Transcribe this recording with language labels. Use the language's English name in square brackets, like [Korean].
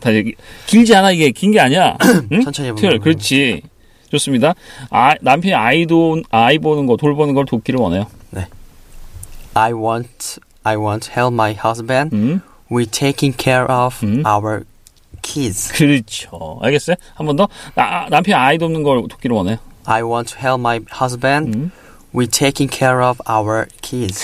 [Korean] 다시 길지 않아 이게 긴 게 아니야. 천천히 해보세요. 그렇지. 좋습니다. 남편이 아이 보는 거 돌보는 걸 돕기를 원해요. [English] I want to help my husband with taking care of our kids. [Korean] 그렇죠. 알겠어요? 한 번 더. 남편 아이 돕는 걸 돕기를 원해요. [English] I want to help my husband with taking care of our kids.